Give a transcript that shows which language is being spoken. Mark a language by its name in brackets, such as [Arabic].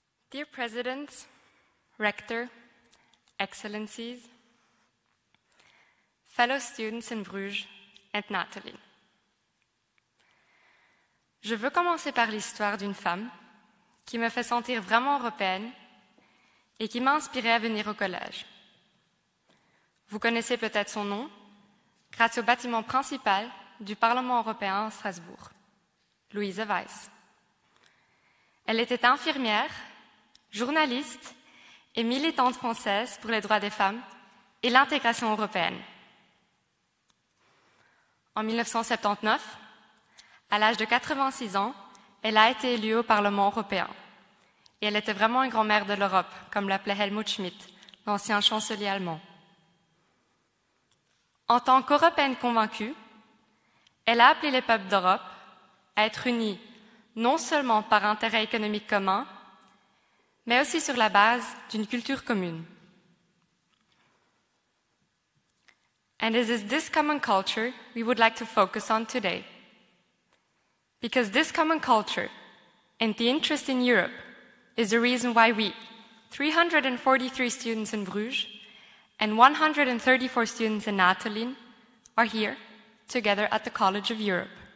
[English] Dear President, Rector, Excellencies, fellow students in Bruges and Nathalie. [French] Je veux commencer par l'histoire d'une femme qui me fait sentir vraiment européenne et qui m'a inspirée à venir au collège. Vous connaissez peut-être son nom grâce au bâtiment principal du Parlement européen à Strasbourg, Louise Weiss. Elle était infirmière, journaliste et militante française pour les droits des femmes et l'intégration européenne. En 1979, à l'âge de 86 ans, elle a été élue au Parlement européen. Et elle était vraiment une grand-mère de l'Europe, comme l'appelait Helmut Schmidt, l'ancien chancelier allemand. En tant qu'européenne convaincue, elle a appelé les peuples d'Europe à être unis non seulement par intérêt économique commun, mais aussi sur la base d'une culture commune. [English] And it is this common culture we would like to focus on today. Because this common culture and the interest in Europe is the reason why we, 343 students in Bruges and 134 students in Nathalie, are here together at the College of Europe.